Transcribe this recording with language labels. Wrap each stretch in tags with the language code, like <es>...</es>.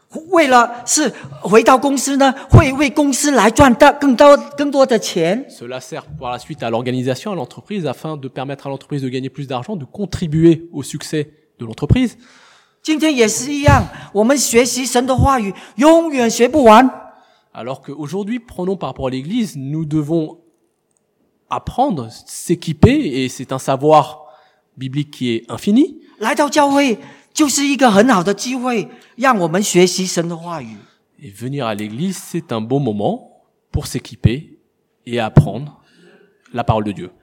<zh>为了是回到公司呢，会为公司来赚到更多的钱。</zh> <fr>Cela sert par la suite à l'organisation, à l'entreprise, afin de permettre à l'entreprise de gagner plus d'argent, de contribuer au succès de l'entreprise.</fr> <zh>今天也是一样，我们学习神的话语，永远学不完。</zh> <fr>Alors qu'aujourd'hui, prenons par rapport à l'Église, nous devons apprendre, s'équiper, et c'est un savoir biblique qui est infini.</fr> <zh>来到教会就是一个很好的机会，让我们学习神的话语。</zh> <fr>Et venir à l'église, c'est un bon moment pour s'équiper et apprendre la parole de Dieu.</fr>